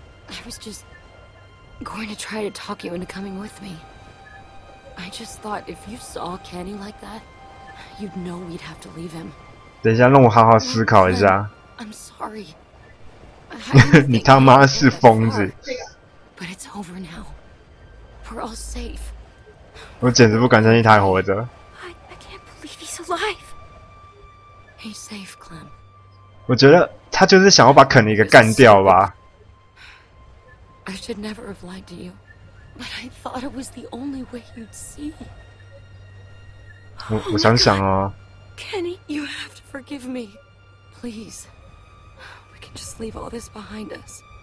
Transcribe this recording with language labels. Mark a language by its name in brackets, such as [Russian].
[English] I was just going to try to talk you into coming with me. I just thought if you saw Kenny like that, you'd know we'd have to leave him. [Chinese] 等一下，让我好好思考一下。 [English] I'm sorry. [Chinese] 你他妈是疯子！ [English] But it's over now. We're all safe. [Chinese] 我简直不敢相信他还活着。 [English] I can't believe he's alive. He's safe, Clem. [Chinese] 我觉得他就是想要把肯尼给干掉吧。 [English] I should never have lied to you, but I thought it was the only way you'd see. [Chinese] 我想想哦。 [English] Kenny, you have to forgive me, please. We can just leave all this behind us.